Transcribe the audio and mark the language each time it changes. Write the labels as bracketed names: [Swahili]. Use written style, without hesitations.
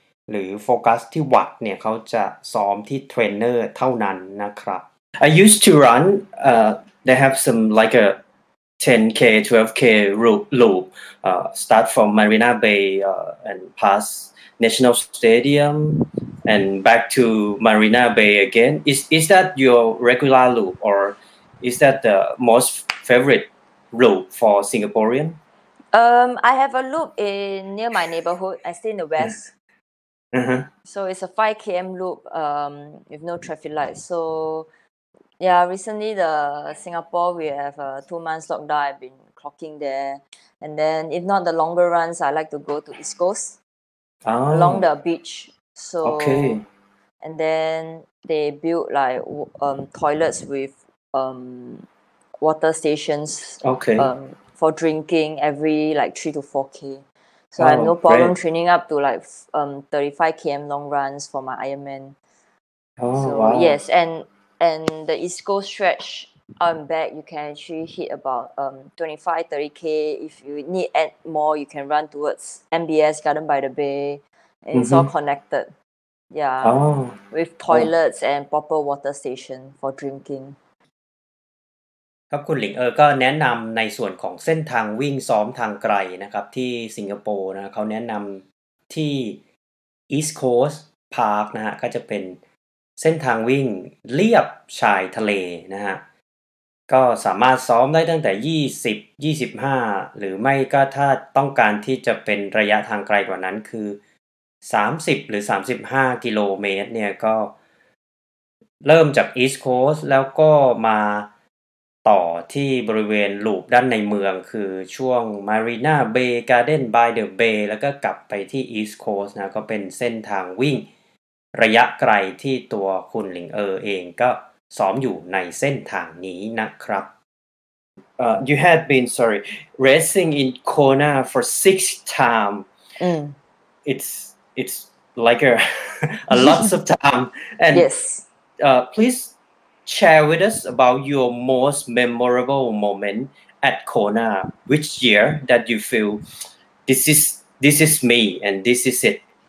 [English] หรือโฟกัสที่วัดเนี่ยเขาจะซ้อมที่เทรนเนอร์เท่านั้นนะครับ I used to run they have some like a 10k 12k loop start from Marina Bay and pass National Stadium and back to Marina Bay again is that your regular loop orIs that the most favorite loop for Singaporean? I have a loop near my neighborhood. I stay in the west. So it's a 5 km loop with no traffic lights. So yeah, recently the Singapore, we have a 2 months lockdown. I've been clocking there. And then if not the longer runs, I like to go to East Coast along the beach. So, okay. And then they built like toilets withwater stations for drinking every like 3 to 4 km. So I have no problem training up to like 35 km long runs for my Ironman. Yes, and the East Coast stretch on back, you can actually hit about 25-30 km. If you need add more, you can run towards MBS Garden by the Bay. It's all connected. Yeah, with toilets and proper water station for drinking. [Thai] ครับคุณหลิงก็แนะนำในส่วนของเส้นทางวิ่งซ้อมทางไกลนะครับที่สิงคโปร์นะเขาแนะนำที่ East Coast Park นะฮะก็จะเป็นเส้นทางวิ่งเรียบชายทะเลนะฮะก็สามารถซ้อมได้ตั้งแต่20 25หรือไม่ก็ถ้าต้องการที่จะเป็นระยะทางไกลกว่านั้นคือ30หรือ35กิโลเมตรเนี่ยก็ เริ่มจาก East Coast แล้วก็มาต่อที่บริเวณลูปด้านในเมืองคือช่วง Marina Bay Garden by the Bay แล้วก็กลับไปที่ East Coast นะก็เป็นเส้นทางวิ่งระยะไกลที่ตัวคุณหลิงเองก็ซ้อมอยู่ในเส้นทางนี้นะครับ [English] You had been sorry racing in Kona for 6 time it's like a lots of time and yes pleaseshare with us about your most memorable moment at Kona which year that you feel this is me and this is it